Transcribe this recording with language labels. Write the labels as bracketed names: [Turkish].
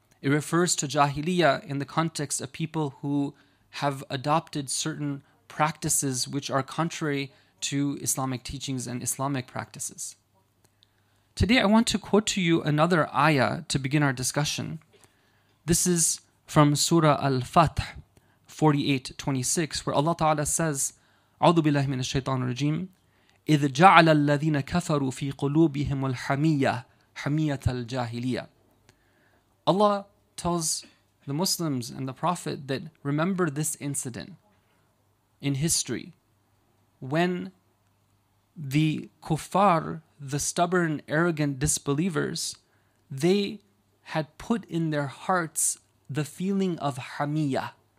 [English] It refers to Jahiliyyah in the context of people who have adopted certain practices which are contrary to Islamic teachings and Islamic practices. Today I want to quote to you another ayah to begin our discussion. This is from Surah Al-Fath 48:26, where Allah Ta'ala says, [Arabic] أعوذ بالله من الشيطان الرجيم إذ جعل الذين كفروا في قلوبهم الحمية حمية الجاهلية. [English] Allah tells the Muslims and the Prophet that remember this incident in history when the kuffar, the stubborn, arrogant disbelievers, they had put in their hearts the feeling of hamiyah.